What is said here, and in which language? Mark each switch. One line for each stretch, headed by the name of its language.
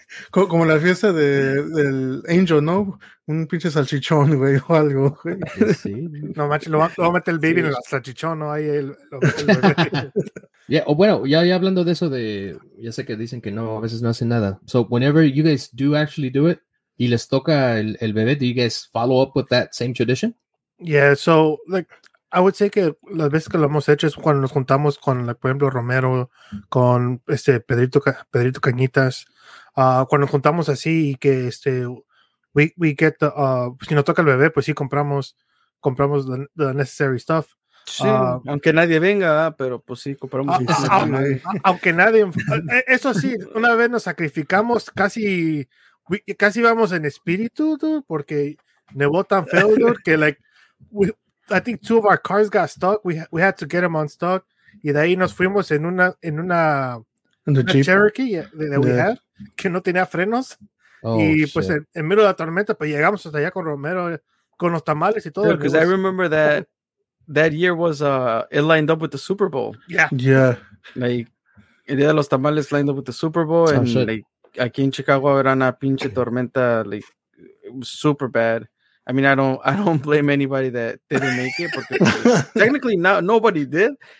Spanish: Como la fiesta del Angel, ¿no? Un pinche salchichón, güey, o algo, güey. Sí. No, macho, lo va a meter el baby en el salchichón, ¿no? Ahí el bebé. Yeah, bueno, ya hablando de eso, ya sé que dicen que no, a veces no hacen nada.
English: So, whenever you guys do actually do it,
Spanish: y les toca el bebé,
English: do you guys follow up with that same tradition? Yeah, so, like, I would say
Spanish: que las veces que lo hemos hecho es cuando nos juntamos con, like, por ejemplo, Romero, con Pedrito Cañitas. Cuando juntamos así y que
English: we get the
Spanish: si nos toca el bebé, pues sí compramos
English: the necessary stuff.
Spanish: Sí, aunque nadie venga, pero pues sí compramos. Aunque nadie, eso sí, una vez nos sacrificamos, casi vamos en espíritu, dude, porque nevó tan feo, dude, que,
English: like, I think two of our cars got stuck. We had to get them unstuck,
Spanish: y de ahí nos fuimos en una Cherokee
English: that we had.
Spanish: Que no tenía frenos.
English: Oh, y shit.
Spanish: Pues en medio de la tormenta, pues llegamos hasta allá con Romero, con los tamales y todo.
English: Because I remember that year was it lined up with the Super Bowl. Yeah. Like,
Spanish: el día de los tamales
English: lined up with the Super Bowl. Oh, and shit.
Spanish: Like, aquí en Chicago era una pinche tormenta, like,
English: it was super bad. I mean, I don't blame anybody that didn't make it,
Spanish: porque
English: technically nobody did.